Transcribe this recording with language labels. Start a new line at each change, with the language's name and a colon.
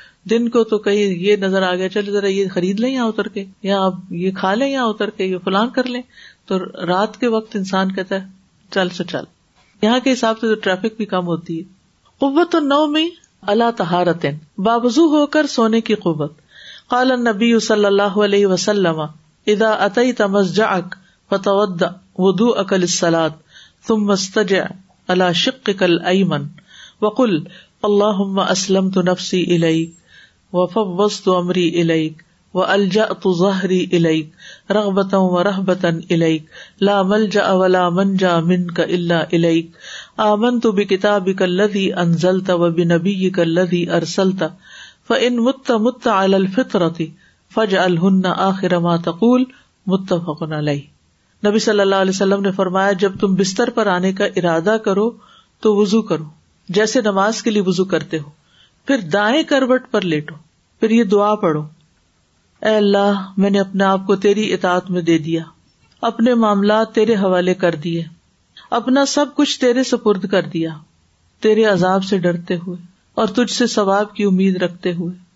Urdu: دن کو تو کہیں یہ نظر آ گیا, چلے ذرا یہ خرید لیں یہاں اتر کے, یا آپ یہ کھا لیں یہاں اتر کے, یہ فلان کر لیں, تو رات کے وقت انسان کہتا ہے چل سے چل. یہاں کے حساب سے تو ٹریفک بھی کم ہوتی ہے.
Arabic: قوت النوم علی طہارت,
Urdu: باوضو ہو کر سونے کی قوت.
Arabic: قال النبی صلی اللہ علیہ وسلم اذا اتیت مسجعک فتوضا وضوءک للصلاۃ ثم استجع علی شقک الایمن وقل اللهم اسلمت نفسي اليك وفوضت امري اليك والجأت ظهري اليك رغبه ورهبه اليك لا ملجأ ولا منجا منك الا اليك آمنت بكتابك الذي انزلت وبنبيك الذي ارسلت فان مت مت على الفطره فاجعلهن اخر ما تقول متفق عليه.
Urdu: نبی صلی اللہ علیہ وسلم نے فرمایا جب تم بستر پر آنے کا ارادہ کرو تو وضو کرو جیسے نماز کے لیے وضو کرتے ہو, پھر دائیں کروٹ پر لیٹو, پھر یہ دعا پڑھو, اے اللہ میں نے اپنے آپ کو تیری اطاعت میں دے دیا, اپنے معاملات تیرے حوالے کر دیے, اپنا سب کچھ تیرے سپرد کر دیا, تیرے عذاب سے ڈرتے ہوئے اور تجھ سے ثواب کی امید رکھتے ہوئے,